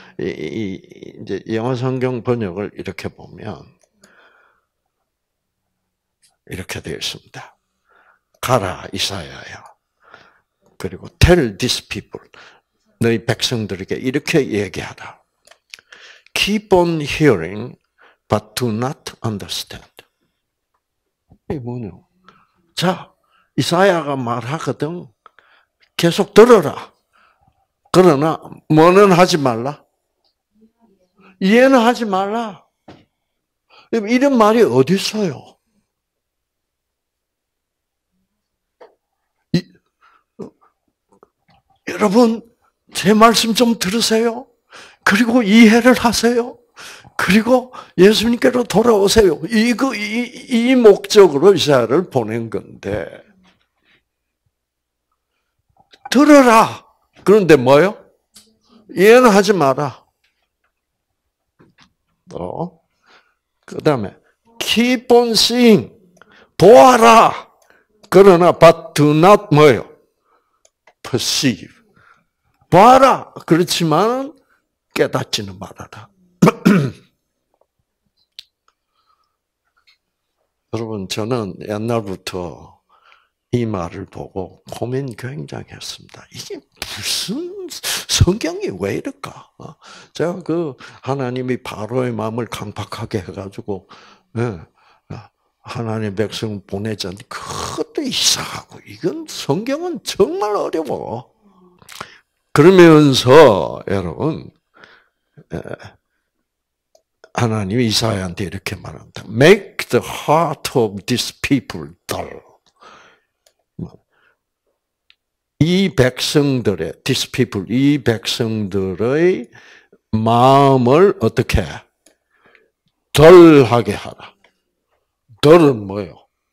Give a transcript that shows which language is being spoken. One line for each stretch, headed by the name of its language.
Korean: 이제 영어 성경 번역을 이렇게 보면 이렇게 되어 있습니다. 가라 이사야야. 그리고
English: tell these people,
Korean: 너희 백성들에게 이렇게 얘기하라.
English: Keep on hearing, but do not understand.
Korean: 이게 뭐냐? 자, 이사야가 말하거든. 계속 들어라. 그러나 뭐는 하지 말라. 이해는 하지 말라. 이런 말이 어디 있어요? 여러분, 제 말씀 좀 들으세요. 그리고 이해를 하세요. 그리고 예수님께로 돌아오세요. 이 목적으로 이사야를 보낸 건데. 들어라. 그런데 뭐요? 이해는 하지 마라. 그 다음에,
English: keep on seeing.
Korean: 보아라. 그러나
English: but do not
Korean: 뭐요?
English: perceive.
Korean: 봐라. 그렇지만 깨닫지는 말아라. 여러분, 저는 옛날부터 이 말을 보고 고민 굉장히 했습니다. 이게 무슨 성경이 왜 이럴까? 제가 그 하나님이 바로의 마음을 강박하게 해가지고 하나님 백성을 보내자니 그것도 이상하고 이건 성경은 정말 어려워. 그러면서 여러분 하나님이 이사야한테 이렇게 말합니다.
English: Make the heart of these people dull.
Korean: 이 백성들의,
English: these people,
Korean: 이 백성들의 마음을 어떻게 덜하게 하라. 덜은 뭐요?